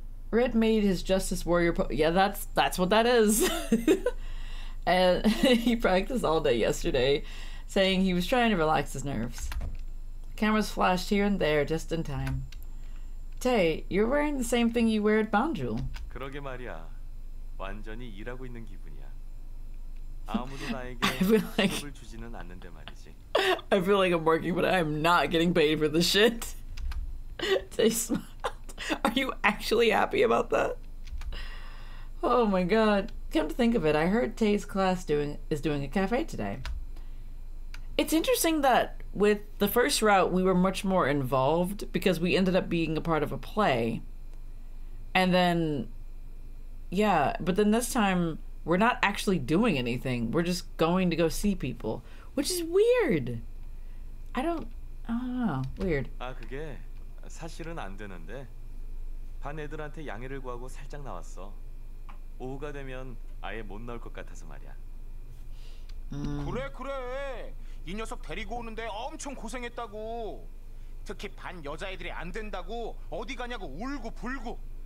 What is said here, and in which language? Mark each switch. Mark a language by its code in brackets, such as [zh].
[en] Red made his Justice Warrior Yeah, that's what that is. And he practiced all day yesterday, saying he was trying to relax his nerves. Cameras flashed here and there just in time. Tay, you're wearing the same thing you wear at Banjul. [ko] 그러게 말이야. 완전히 일하고 있는 기분이야. 아무도 나에게 돈을 주지는 않는데 말이지. [en] I feel like I'm working, but I'm not getting paid for this shit. Tay smiled. Are you actually happy about that? Oh my God. Come to think of it, I heard Tay's class is doing a cafe today. It's interesting that with the first route, we were much more involved because we ended up being a part of a play. And then, yeah, but then this time, we're not actually doing anything. We're just going to go see people, which is weird. I don't know. Weird. [ko] 아, 그게 사실은 안 되는데. 반 애들한테 양해를 구하고 살짝 나왔어. 오후가 되면 아예 못 나올 것 같아서 말이야. 그래 그래. 이 녀석 데리고 오는데 엄청 고생했다고. 특히 반 여자애들이 안 된다고 어디 가냐고 울고 불고.